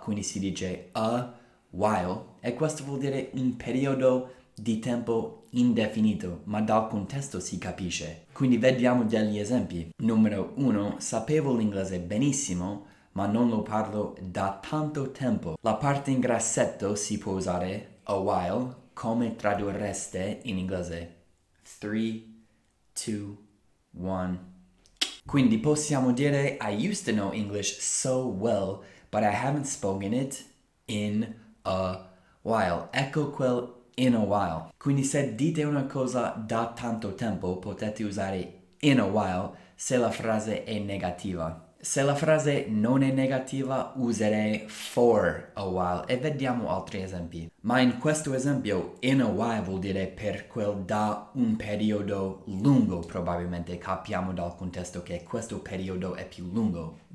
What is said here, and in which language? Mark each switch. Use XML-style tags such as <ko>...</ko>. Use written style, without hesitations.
<it>Quindi si dice a while e questo vuol dire un periodo di tempo indefinito, ma dal contesto si capisce. Quindi vediamo degli esempi. Numero uno, sapevo l'inglese benissimo ma non lo parlo da tanto tempo. La parte in grassetto si può usare a while. Come tradurreste in inglese? 3, 2, 1. Quindi possiamo dire</it> <en>I used to know English so well, but I haven't spoken it in a while.</en> <it>Ecco quel in a while. Quindi se dite una cosa da tanto tempo, potete usare in a while se la frase è negativa. Se la frase non è negativa, userei for a while e vediamo altri esempi. Ma in questo esempio, in a while vuol dire per quel da un periodo lungo, probabilmente capiamo dal contesto che questo periodo è più lungo.</it>